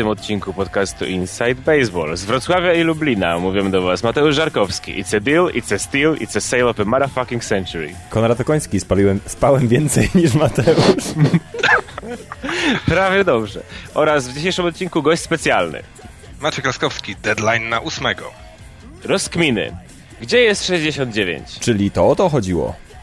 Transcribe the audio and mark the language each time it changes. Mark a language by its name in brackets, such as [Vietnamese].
[Polish] odcinku podcastu Inside Baseball z Wrocławia i Lublina. Mówię do was Mateusz Żarkowski. [English] It's a deal, it's a steal, it's a sale of a motherfucking century. [Polish] Konrad Okoński, spałem więcej niż Mateusz. Prawie dobrze. Oraz w dzisiejszym odcinku gość specjalny. Maciek Laskowski, deadline na 8. Rozkminy. Gdzie jest 69? Czyli to o to chodziło.